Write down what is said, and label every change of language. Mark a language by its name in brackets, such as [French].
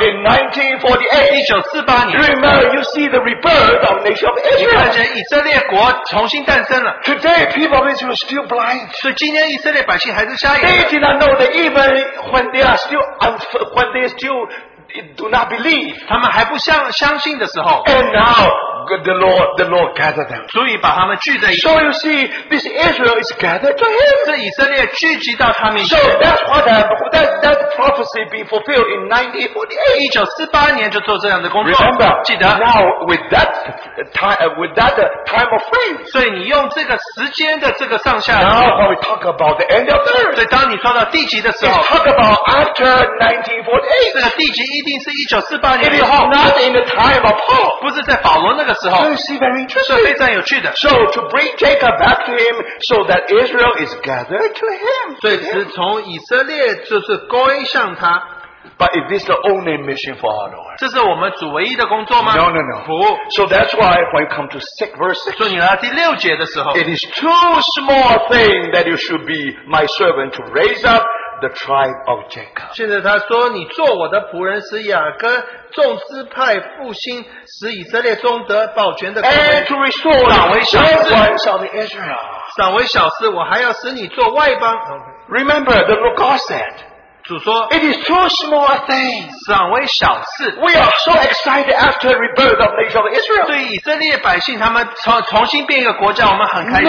[English] In 1948, remember, you see the rebirth of the nation of Israel. [Chinese] 你看见以色列国重新诞生了, [English] today, people of Israel are still blind. [Chinese] 所以今天以色列百姓还是瞎眼, [English] they did not know that even when they are still do not believe, [Chinese] 他们还不相信的时候, [English] and now the Lord gathered them. So you see, this Israel is gathered to him. [Chinese] 这以色列聚集到他们, [English] so that's what that prophecy being fulfilled in 1948. Remember, [Chinese] 记得, [English] now with that time of faith. [Chinese] 所以你用这个时间的这个上下, [English] now when we talk about the end of the earth, [Chinese] 所以当你说到地极的时候, [English] it's talk about after 1948. [Chinese] 这个地极一定是1948年以后, [English] it is not in the time of Paul. [Chinese] 不是在保罗那个, [English] so you see, very interesting. So to bring Jacob back to him, so that Israel is gathered to him. [Chinese] 所以是从以色列就是归向他, [English] but is this the only mission for our Lord? [Chinese] 这是我们主唯一的工作吗? [English] No. [Chinese] 不, [English] so that's why when you come to 6 verse 6, [Chinese] 所以你来到第六节的时候, [English] it is too small a thing that you should be my servant to raise up the tribe of Jacob. [Chinese] 现在他说你做我的仆人使雅各, [English] and to restore the Israel. Remember, the Lord God said, [Chinese] 主说, [English] it is too small a thing. [Chinese] 赏为小事, [English] we are so excited after the rebirth of the nation of Israel. [Chinese] 对以色列百姓, 他们重新变一个国家, 我们很开心,